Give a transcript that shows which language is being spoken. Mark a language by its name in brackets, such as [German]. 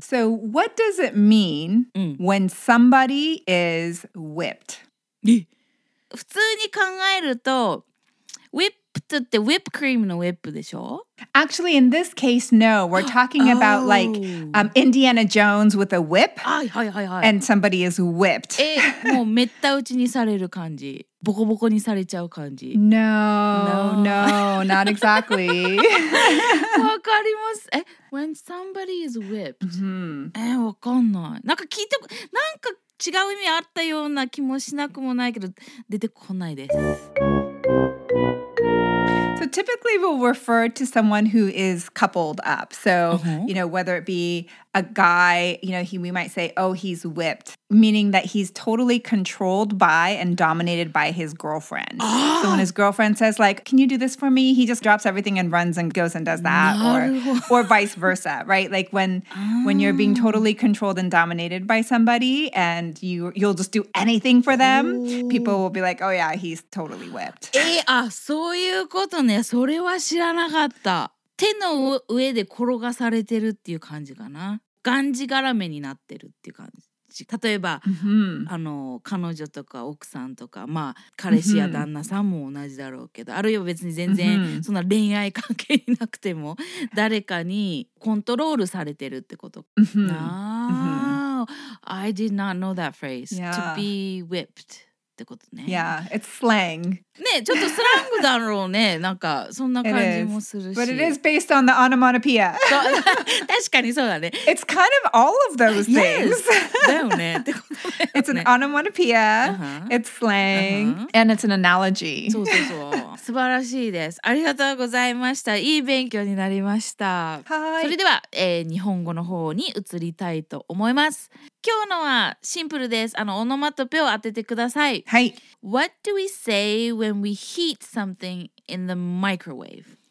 [English] So what does it mean、when somebody is whipped? [Japanese] 普通に考えると whipped って whip cream の whip でしょ？ [English] Actually, in this case, no. We're talking about、like、Indiana Jones with a whip. [Japanese] はいはいはいはい。 [English] And somebody is whipped. [Japanese] もうめった打ちにされる感じ。ボコボコにされちゃう感じ。 [English] No, no, no, not exactly. [Japanese] わかります。 [English] え、when somebody is whipped.、 Mm-hmm. [Japanese] え、わかんない。なんか聞いて、なんか違う意味あったような気もしなくもないけど、出てこないです。 [English] So typically we'll refer to someone who is coupled up. So,、 uh-huh. you know, whether it be a guy, you know, we might say, oh, he's whipped, meaning that he's totally controlled by and dominated by his girlfriend.、 Oh! So when his girlfriend says like, can you do this for me? He just drops everything and runs and goes and does that or vice versa, right? Like when,、when you're being totally controlled and dominated by somebody and you'll just do anything for them,、people will be like, oh yeah, he's totally whipped. [Japanese] そういうことね。それは知らなかった。手の上で転がされてるっていう感じかな。がんじがらめになってるっていう感じ。ち、例えば、うん、あの彼女とか奥さんとか、まあ彼氏や旦那さんも同じだろうけど、うん、あるいは別に全然そんな恋愛関係なくても誰かにコントロールされてるってこと、うん、 [English] なあ、うん、I did not know that phrase、 yeah. to be whipped [Japanese] ってことね。 [English] Yeah, it's slang. [Japanese] ね、ちょっとスラングだろうね。なんかそんな感じもするし。 [English] It is. But it is based on the onomatopoeia. [Japanese] 確かにそうだね。 [English] It's kind of all of those things. [Japanese] Yes, だよね。ってことね。 [English] It's an onomatopoeia. Uh-huh. It's slang. Uh-huh. And it's an analogy. [Japanese] そうそうそう。素晴らしいです。ありがとうございました。いい勉強になりました。はい。それでは、日本語の方に移りたいと思います。今日のはシンプルです。あのオノマトペを当ててください。はい。 [English] What do we say when we heat something in the microwave?